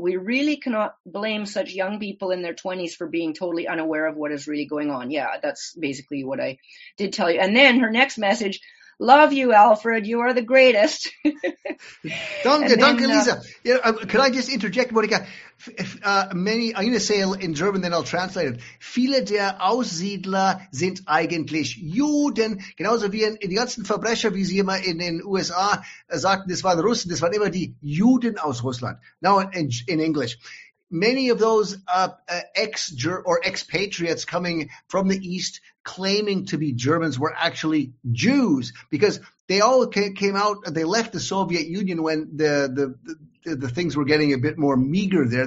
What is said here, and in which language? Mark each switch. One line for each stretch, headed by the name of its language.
English: We really cannot blame such young people in their 20s for being totally unaware of what is really going on. Yeah, that's basically what I did tell you. And then her next message, love you, Alfred. You are the greatest.
German: Danke, Lisa.
English: Can I just interject, Monica? I'm going to say in German, then I'll translate it.
German: Viele der Aussiedler sind eigentlich Juden. Genauso wie in die ganzen Verbrecher, wie sie immer in den USA sagten, das waren Russen, das waren immer die Juden aus Russland.
English: Now in English. Many of those expatriates coming from the East claiming to be Germans were actually Jews, because they all came out, they left the Soviet Union when the things were getting a bit more meager there.